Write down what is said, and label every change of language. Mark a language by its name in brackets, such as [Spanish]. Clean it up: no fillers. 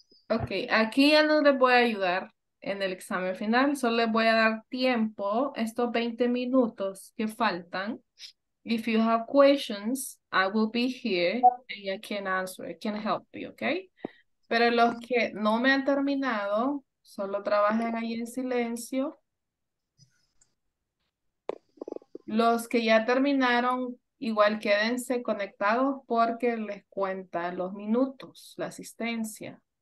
[Spanish] Ok, aquí ya no les voy a ayudar en el examen final, solo les voy a dar tiempo, estos 20 minutos que faltan, [English] If you have questions, I will be here and I can answer, I can help you, okay? [Spanish] Pero los que no me han terminado, solo trabajen ahí en silencio. Los que ya terminaron, igual quédense conectados porque les cuenta los minutos, la asistencia.